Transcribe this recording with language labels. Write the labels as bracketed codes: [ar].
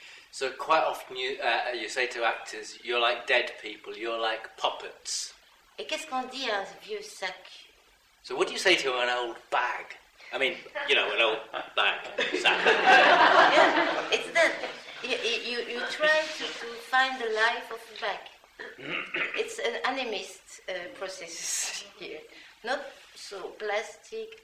[en] So quite often you say to actors you're like dead people, you're like puppets. [fr] Et qu'est-ce qu'on dit à un vieux sac? [en] So what do you say to an old bag? I mean, you know, an old bag. Yeah, it's that you try to find the life of the bag. It's an animist process here, not so plastic.